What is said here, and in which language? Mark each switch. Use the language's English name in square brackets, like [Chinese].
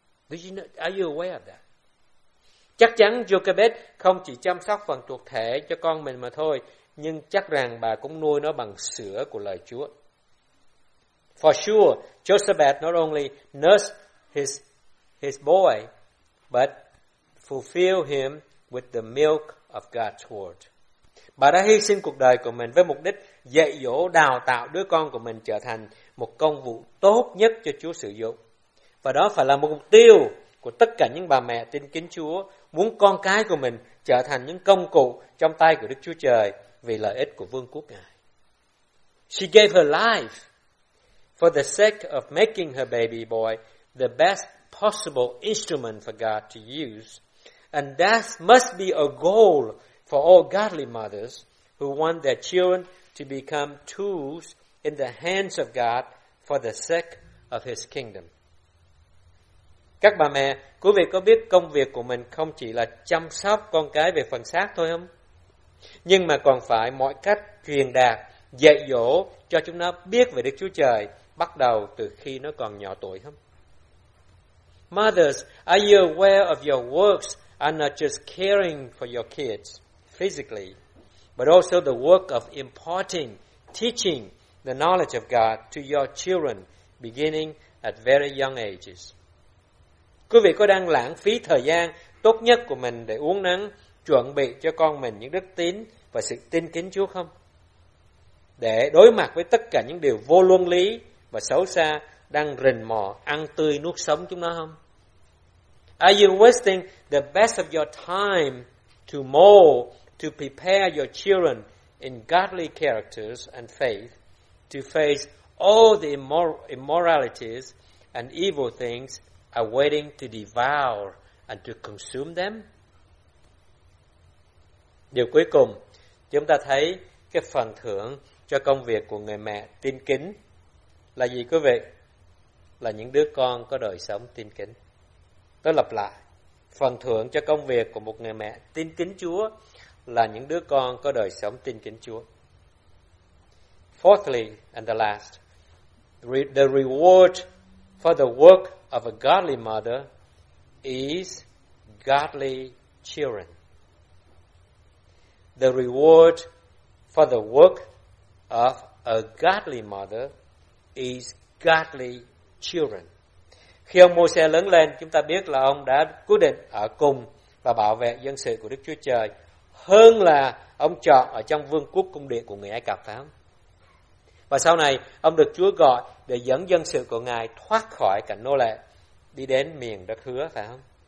[English] Did you know, are you aware of that? [Vietnamese] Chắc chắn Jochebed không chỉ chăm sóc phần thuộc thể cho con mình mà thôi, nhưng chắc rằng bà cũng nuôi nó bằng sữa của lời Chúa. [English] For sure, Josephat not only nursed his boy, but fulfilled him with the milk of God's word. [Vietnamese] Bà đã hy sinh cuộc đời của mình với mục đích dạy dỗ, đào tạo đứa con của mình trở thành một công vụ tốt nhất cho Chúa sử dụng. Và đó phải là một mục tiêu của tất cả những bà mẹ tin kính Chúa, muốn con cái của mình trở thành những công cụ trong tay của Đức Chúa Trời vì lợi ích của vương quốc Ngài. [English] She gave her life for the sake of making her baby boy the best possible instrument for God to use. And that must be a goal for all godly mothers who want their children to become tools in the hands of God for the sake of His kingdom. [Vietnamese] Các bà mẹ, quý vị có biết công việc của mình không chỉ là chăm sóc con cái về phần xác thôi không? Nhưng mà còn phải mọi cách truyền đạt, dạy dỗ cho chúng nó biết về Đức Chúa Trời bắt đầu từ khi nó còn nhỏ tuổi không? [English] Mothers, are you aware of your works and not just caring for your kids physically, but also the work of imparting, teaching the knowledge of God to your children beginning at very young ages? [Vietnamese] Quý vị có đang lãng phí thời gian tốt nhất của mình để uống nắng, chuẩn bị cho con mình những đức tín và sự tin kính Chúa không? Để đối mặt với tất cả những điều vô luân lý và xấu xa đang rình mò ăn tươi nuốt sống chúng nó không? [English] Are you wasting the best of your time to mold, to prepare your children in godly characters and faith to face all the immoralities and evil things are waiting to devour and to consume them? [Vietnamese] Điều cuối cùng, chúng ta thấy cái phần thưởng cho công việc của người mẹ tin kính là gì quý vị? Là những đứa con có đời sống tin kính. Tôi lặp lại, phần thưởng cho công việc của một người mẹ tin kính Chúa là những đứa con có đời sống tin kính Chúa. [English] Fourthly and the last, the reward for the work of a godly mother is godly children. The reward for the work of a godly mother is godly children. [Vietnamese] Khi ông Môi-se lớn lên, chúng ta biết là ông đã quyết định ở cùng và bảo vệ dân sự của Đức Chúa Trời hơn là ông chọn ở trong vương quốc cung điện của người Ai Cập, phải không? Và sau này, ông được Chúa gọi để dẫn dân sự của Ngài thoát khỏi cảnh nô lệ, đi đến miền đất hứa, phải không?